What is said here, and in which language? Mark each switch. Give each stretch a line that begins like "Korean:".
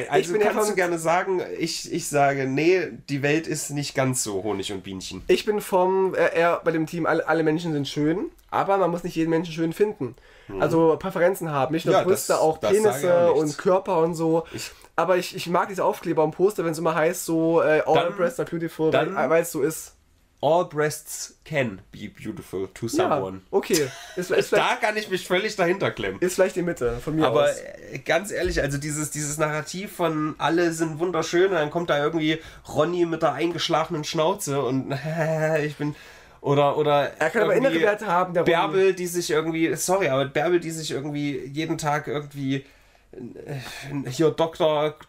German: Nee, also kannst du gerne sagen, ich sage, nee, die Welt ist nicht ganz so Honig und Bienchen. Ich bin vom eher bei dem Team, alle Menschen sind schön, aber man muss nicht jeden Menschen schön finden. Also Präferenzen haben, nicht nur Brüste, auch Penisse und Körper und so. Aber ich mag diese Aufkleber und Poster, wenn es immer heißt, so all breasts are beautiful, weil es so ist.
English: All breasts can be beautiful to someone.
German: Ja, okay. Da kann ich mich völlig dahinter klemmen. Ist vielleicht die Mitte von mir aber aus. Aber ganz ehrlich, also dieses Narrativ von alle sind wunderschön und dann kommt da irgendwie Ronny mit der eingeschlafenen Schnauze und ich bin... Oder er kann aber innere Werte haben, der Bärbel, die sich irgendwie, sorry, aber Bärbel, die sich irgendwie jeden Tag irgendwie hier Dr.